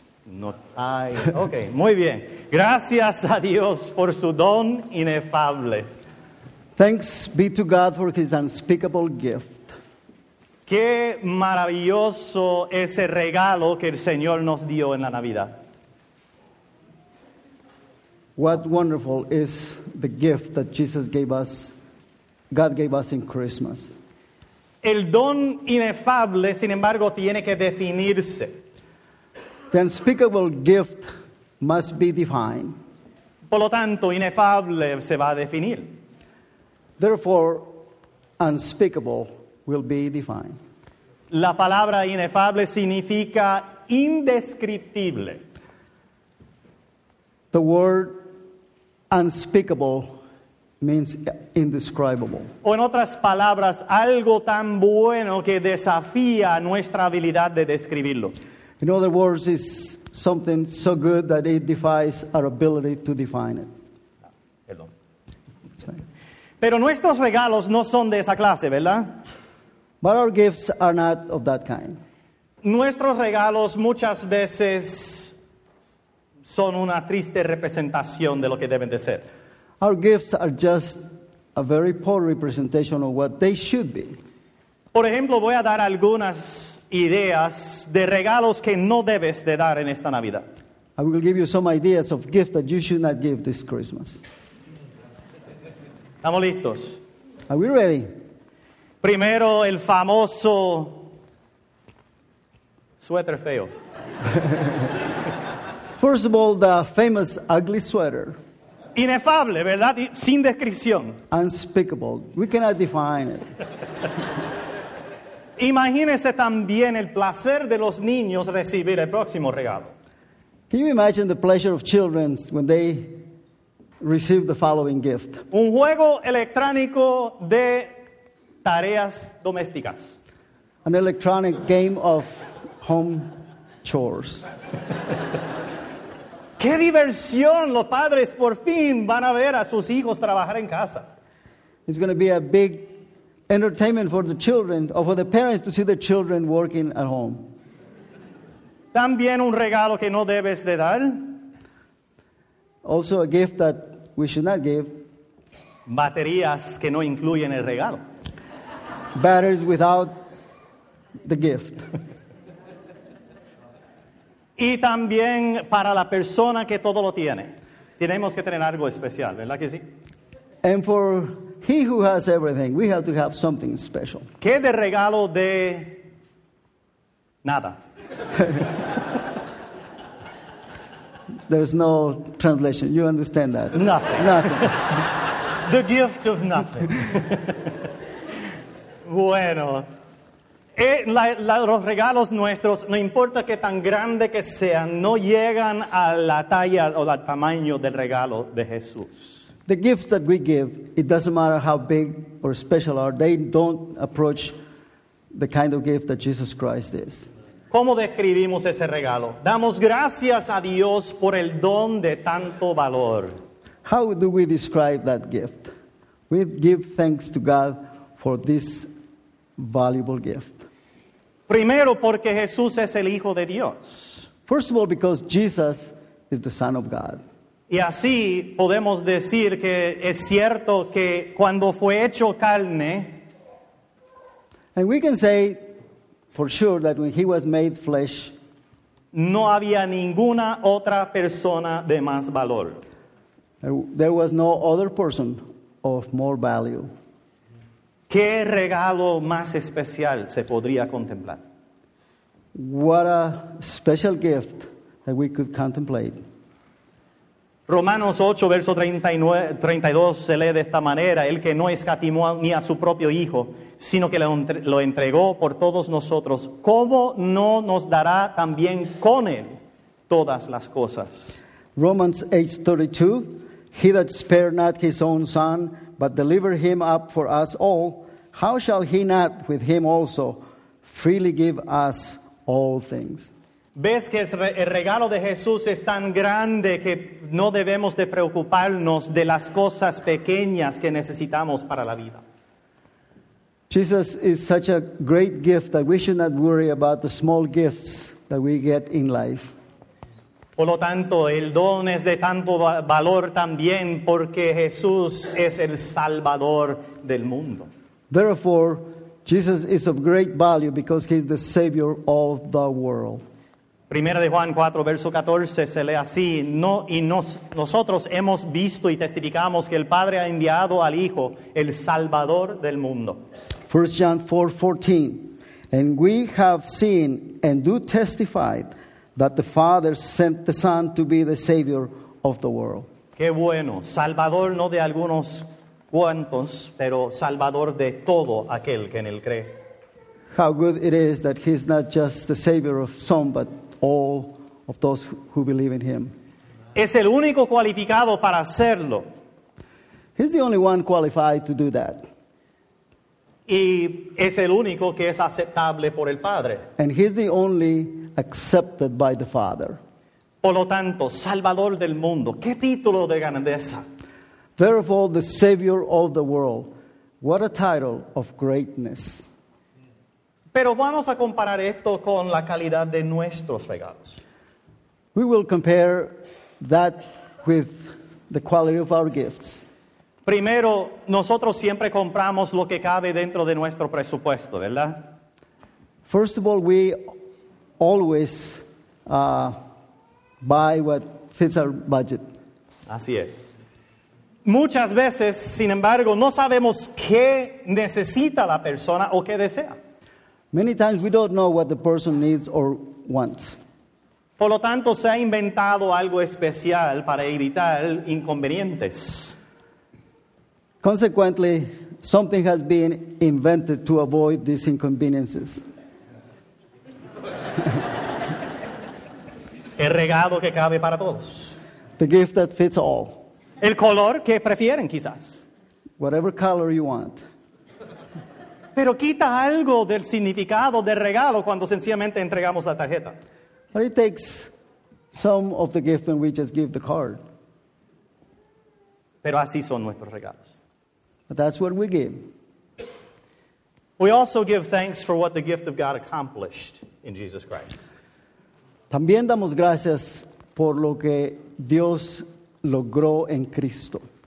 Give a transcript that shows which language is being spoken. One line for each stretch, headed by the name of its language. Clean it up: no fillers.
Spanish: No hay. Okay. Muy bien. Gracias a Dios por su don inefable.
English: Thanks be to God for his unspeakable gift.
Spanish: Qué maravilloso ese regalo que el Señor nos dio en la Navidad.
English: What wonderful is the gift that Jesus gave us, God gave us in Christmas.
Spanish: El don inefable, sin embargo, tiene que definirse.
English: The unspeakable gift must be defined.
Spanish: Por lo tanto, inefable se va a definir.
English: Therefore, unspeakable will be defined.
Spanish: La palabra inefable significa indescriptible.
English: The word unspeakable means indescribable.
Spanish: O en otras palabras, algo tan bueno que desafía nuestra habilidad de describirlo.
English: In other words, it's something so good that it defies our ability to define it.
Spanish: Perdón. Pero nuestros regalos no son de esa clase, ¿verdad?
English: But our gifts are not of that kind.
Spanish: Nuestros regalos muchas veces son una triste representación de lo que deben de ser.
English: Our gifts are just a very poor representation of what they should be.
Spanish: Por ejemplo, voy a dar algunas ideas de regalos que no debes de dar en esta Navidad.
English: I will give you some ideas of gifts that you should not give this Christmas.
Spanish: ¿Estamos listos?
English: Are we ready?
Spanish: Primero, el famoso suéter feo.
English: First of all, the famous ugly sweater.
Spanish: Inefable, ¿verdad? Sin descripción.
English: Unspeakable. We cannot define it.
Spanish: Imagínese también el placer de los niños recibir el próximo regalo.
English: Can you imagine the pleasure of children when they receive the following gift?
Spanish: Un juego electrónico de tareas domésticas.
English: An electronic game of home chores.
Spanish: ¡Qué diversión! Los padres por fin van a ver a sus hijos trabajar en casa.
English: It's going to be a big entertainment for the children, or for the parents to see the children working at home.
Spanish: También un regalo que no debes de dar.
English: Also a gift that we should not give.
Spanish: Baterías que no incluyen el regalo.
English: Batteries without the gift.
Spanish: Y también para la persona que todo lo tiene. Tenemos que tener algo especial, ¿verdad que sí?
English: And for he who has everything, we have to have something special.
Spanish: ¿Qué de regalo de nada?
English: There's no translation. You understand that? Nothing. Nothing. The gift of nothing.
Spanish: Bueno. Los regalos nuestros, no importa qué tan grande que sean, no llegan a la talla o al tamaño del regalo de Jesús.
English: The gifts that we give, it doesn't matter how big or special are, they don't approach the kind of gift that Jesus Christ is.
Spanish: ¿Cómo describimos ese regalo? Damos gracias a Dios por el don de tanto valor.
English: How do we describe that gift? We give thanks to God for this valuable gift.
Spanish: Primero, porque Jesús es el Hijo de Dios.
English: First of all, because Jesus is the Son of God.
Spanish: Y así podemos decir que es cierto que cuando fue hecho carne,
English: and we can say for sure that when he was made flesh,
Spanish: no había ninguna otra persona de más valor.
English: There was no other person of more value.
Spanish: ¿Qué regalo más especial se podría contemplar?
English: What a special gift that we could contemplate.
Spanish: Romanos 8, verso 32, se lee de esta manera: el que no escatimó ni a su propio hijo, sino que lo entregó por todos nosotros, ¿cómo no nos dará también con él todas las cosas?
English: Romans 8, 32, he that spared not his own son, but delivered him up for us all, how shall he not with him also freely give us all things?
Spanish: ¿Ves que el regalo de Jesús es tan grande que no debemos de preocuparnos de las cosas pequeñas que necesitamos para la vida?
English: Jesus is such a great gift that we should not worry about the small gifts that we get in life.
Spanish: Por lo tanto, el don es de tanto valor también porque Jesús es el Salvador del mundo.
English: Therefore, Jesus is of great value because he is the Savior of the world.
Spanish: Primera de Juan 4, verso 14, se lee así: nosotros hemos visto y testificamos que el Padre ha enviado al Hijo, el Salvador del mundo.
English: 1 John 4, 14, and we have seen and do testify that the Father sent the Son to be the Savior of the world.
Spanish: Qué bueno, Salvador no de algunos cuantos, pero Salvador de todo aquel que en él cree.
English: How good it is that he's not just the Savior of some, but all of those who believe in him.
Spanish: Es el único cualificado para hacerlo.
English: He's the only one qualified to do that.
Spanish: Y es el único que es aceptable por el Padre.
English: And he's the only accepted by the Father.
Spanish: Por lo tanto, Salvador del mundo. ¿Qué título de grandeza?
English: Therefore, the Savior of the world. What a title of greatness.
Spanish: Pero vamos a comparar esto con la calidad de nuestros regalos.
English: We will compare that with the quality of our gifts.
Spanish: Primero, nosotros siempre compramos lo que cabe dentro de nuestro presupuesto, ¿verdad?
English: First of all, we always buy what fits our budget.
Spanish: Así es. Muchas veces, sin embargo, no sabemos qué necesita la persona o qué desea.
English: Many times we don't know what the person needs or wants.
Spanish: Por lo tanto, se ha inventado algo especial para evitar inconvenientes.
English: Consequently, something has been invented to avoid these inconveniences.
Spanish: El regalo que cabe para todos.
English: The gift that fits all.
Spanish: El color que prefieren, quizás.
English: Whatever color you want.
Spanish: Pero quita algo del significado del regalo cuando sencillamente entregamos la tarjeta.
English: But it takes some of the gift when we just give the card.
Spanish: Pero así son nuestros regalos.
English: But that's what we give. We also give thanks for what the gift of God accomplished in Jesus Christ.
Spanish: También damos gracias por lo que Dios logró en Cristo.